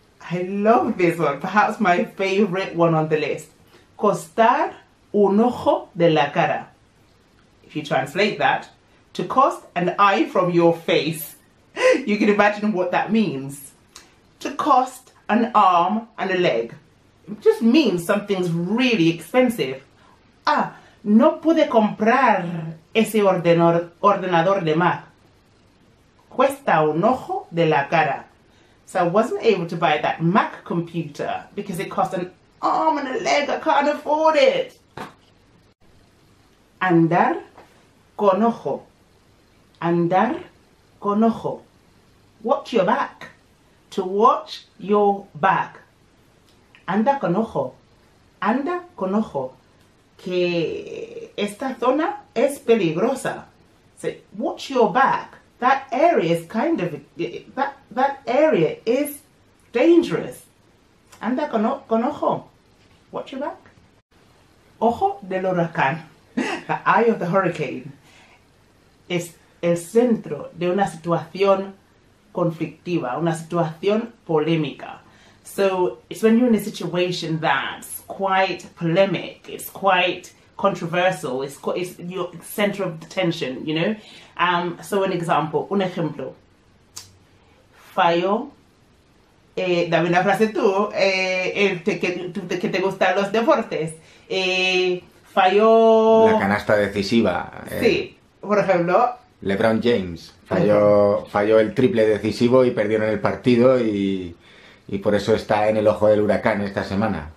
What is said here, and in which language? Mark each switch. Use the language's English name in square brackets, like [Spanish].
[English] I love this one, perhaps my favorite one on the list. [Spanish] Costar un ojo de la cara. [English] If you translate that, to cost an eye from your face. You can imagine what that means. To cost an arm and a leg. It just means something's really expensive. [Spanish] Ah, no pude comprar ese ordenador de Mac. Cuesta un ojo de la cara. [English] So I wasn't able to buy that Mac computer because it cost an arm and a leg. I can't afford it. [Spanish] Andar con ojo. Andar con ojo. [English] Watch your back. To watch your back. [Spanish] Anda con ojo. Anda con ojo. Que esta zona es peligrosa. [English] So watch your back. That area is kind of, that area is dangerous. [Spanish] Anda con ojo. [English] Watch your back. [Spanish] Ojo del huracán. [English] The eye of the hurricane. [Spanish] Es el centro de una situación conflictiva, una situación polémica. [English] So it's when you're in a situation that's quite polemic, it's quite controversial, it's your center of the tension, you know? So an example, [Spanish] un ejemplo. Fallo, dame una frase tú, que te gustan los deportes. Fallo... La canasta decisiva. Sí, por ejemplo... LeBron James falló el triple decisivo y perdieron el partido y por eso está en el ojo del huracán esta semana.